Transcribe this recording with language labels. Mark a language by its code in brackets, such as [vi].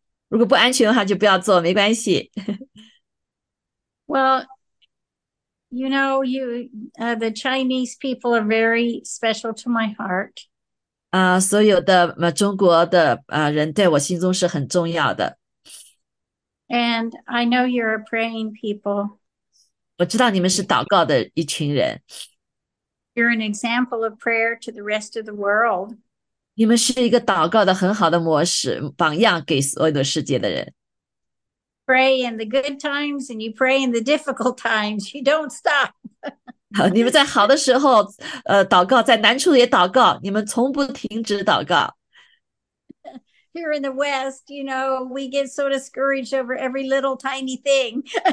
[zh] 如果不安全的话，就不要做，没关系。 [en] Well, the Chinese people are very special to my heart. [zh] 所有的中国的人，在我心中是很重要的。 [en] And I know you're a praying people. [zh] 我知道你们是祷告的一群人。 [en] You're an example of prayer to the rest of the world. Pray in the good times and you pray in the difficult times. You don't stop. [zh] 你们在好的时候，祷告，在难处也祷告，你们从不停止祷告。 [en] Here in the West, you know, we get so discouraged over every little tiny thing.